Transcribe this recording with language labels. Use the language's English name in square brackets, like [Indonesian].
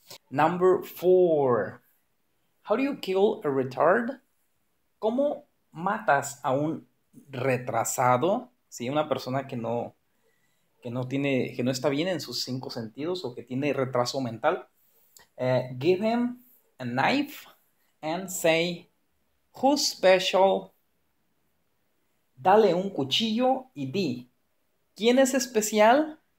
[English] Number four. How do you kill a retard? [Spanish] ¿Cómo matas a un retrasado? ¿Sí? Una persona que no está bien en sus cinco sentidos o que tiene retraso mental. [English] Give him a knife and say, who's special? [Spanish] Dale un cuchillo y di, ¿quién es especial?